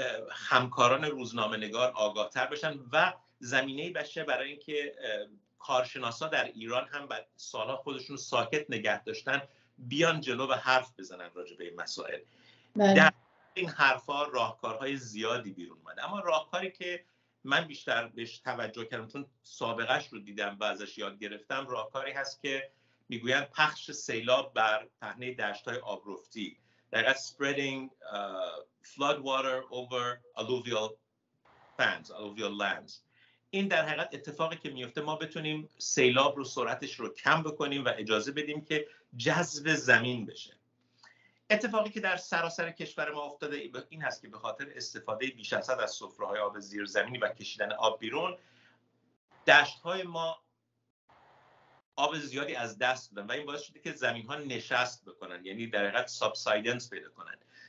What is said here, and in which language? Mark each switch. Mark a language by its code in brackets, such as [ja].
[fa] همکاران روزنامه‌نگار آگاه‌تر بشن و زمینه بشه برای اینکه کارشناسا در ایران هم بعد سالها خودشون ساکت نگه داشتن بیان جلو و حرف بزنن راجع به این مسائل. بله. در این حرفا راهکارهای زیادی بیرون اومده، اما راهکاری که من بیشتر بهش توجه کردم چون سابقهش رو دیدم و ازش یاد گرفتم. راهکاری هست که میگویند پخش سیلاب بر پهنه دشت‌های آبرفتی. [en] That's spreading flood water over alluvial pans, alluvial lands. [fa] این در حقیقت اتفاقی که میفته ما بتونیم سیلاب رو سرعتش رو کم بکنیم و اجازه بدیم که جذب زمین بشه. اتفاقی که در سراسر کشور ما افتاده این هست که به خاطر استفاده بیش از حد از سفره‌های آب زیرزمینی و کشیدن آب بیرون دشت‌های ما آب زیادی از دست دادن و این باعث شده که زمین‌ها نشست بکنن، یعنی در حقیقت سابسایدنس پیدا کنن.